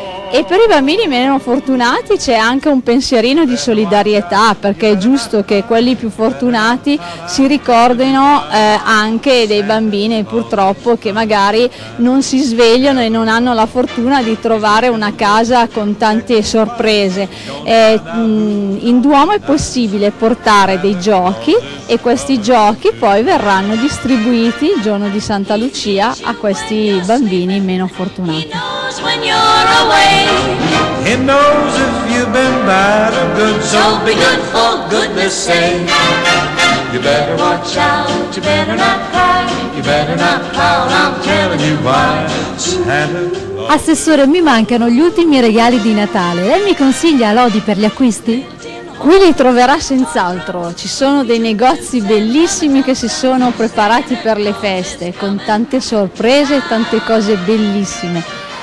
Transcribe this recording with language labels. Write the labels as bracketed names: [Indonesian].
[Italian] E per i bambini meno fortunati c'è anche un pensierino di solidarietà, perché è giusto che quelli più fortunati si ricordino anche dei bambini, purtroppo, che magari non si svegliano e non hanno la fortuna di trovare una casa con tante sorprese. In Duomo è possibile portare dei giochi e questi giochi poi verranno distribuiti il giorno di Santa Lucia a questi bambini meno fortunati. [English] When you're away, he knows if you've been bad or good, so be good for goodness sake. You better watch out, you better not cry, you better not pout, I'm telling you why. Santa. [Italian] Assessore, mi mancano gli ultimi regali di Natale, lei mi consiglia Lodi per gli acquisti? Qui li troverà senz'altro, ci sono dei negozi bellissimi che si sono preparati per le feste, con tante sorprese e tante cose bellissime.